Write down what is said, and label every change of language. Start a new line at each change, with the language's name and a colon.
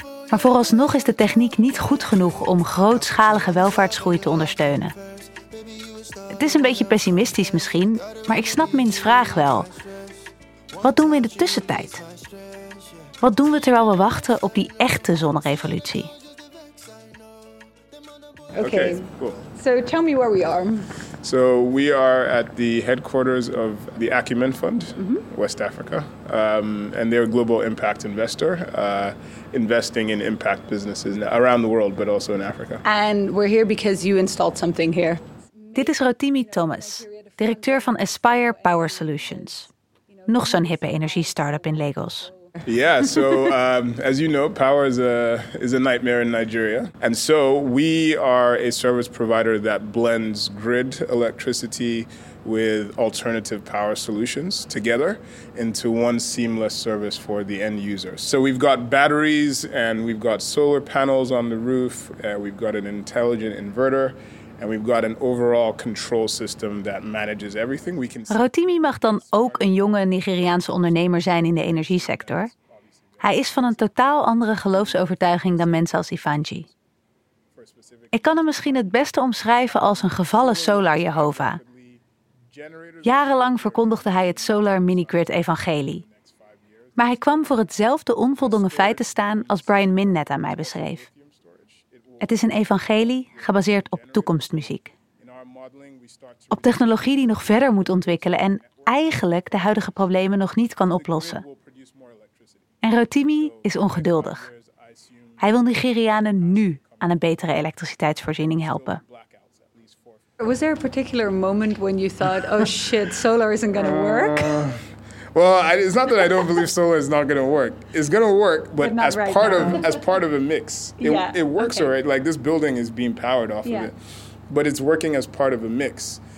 Dutch: Maar vooralsnog is de techniek niet goed genoeg om grootschalige welvaartsgroei te ondersteunen. Het is een beetje pessimistisch misschien, maar ik snap Min's vraag wel. Wat doen we in de tussentijd? Wat doen we terwijl we wachten op die echte zonnerevolutie?
English: Oké, cool. So tell me where we are. So we are at the headquarters of the Acumen Fund, mm-hmm. West Africa, and they're a global impact investor, investing in impact businesses around the world, but also in Africa. And we're here because you installed something here.
Dutch: Dit is Rotimi Thomas, directeur van Aspire Power Solutions. Nog zo'n hippe energie-startup in Lagos.
English: Yeah, so as you know, power is a nightmare in Nigeria. And so we are a service provider that blends grid electricity with alternative power solutions together into one seamless service for the end user. So we've got batteries and we've got solar panels on the roof. We've got an intelligent inverter. And we've got an overall control system that manages everything. We can...
Dutch: Rotimi mag dan ook een jonge Nigeriaanse ondernemer zijn in de energiesector. Hij is van een totaal andere geloofsovertuiging dan mensen als Ifanji. Ik kan hem misschien het beste omschrijven als een gevallen Solar Jehovah. Jarenlang verkondigde hij het Solar Mini-Grid Evangelie. Maar hij kwam voor hetzelfde onvoldongen feit te staan als Brian Min net aan mij beschreef. Het is een evangelie gebaseerd op toekomstmuziek. Op technologie die nog verder moet ontwikkelen en eigenlijk de huidige problemen nog niet kan oplossen. En Rotimi is ongeduldig. Hij wil Nigerianen nu aan een betere elektriciteitsvoorziening helpen.
English: Was there a particular moment when you thought, oh shit, solar isn't gonna work? Well, it's not that I don't believe solar is not going to work. It's going to work, but as right part now. Of as part of a mix. It works okay. Right. Like this building is being powered off of it. But it's working as part of a mix.